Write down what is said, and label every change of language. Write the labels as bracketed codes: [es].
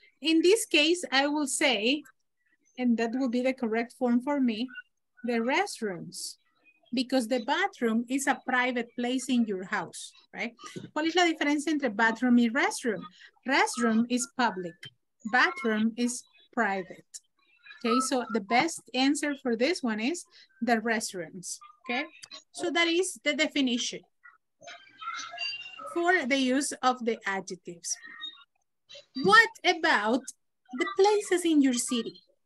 [en] In this case, I will say, and that will be the correct form for me, the restrooms, because the bathroom is a private place in your house, right? [es] ¿Cuál es la diferencia entre bathroom y restroom? [en] Restroom is public, bathroom is private. Okay, so the best answer for this one is the restrooms, okay? So that is the definition for the use of the adjectives. What about the places in your city?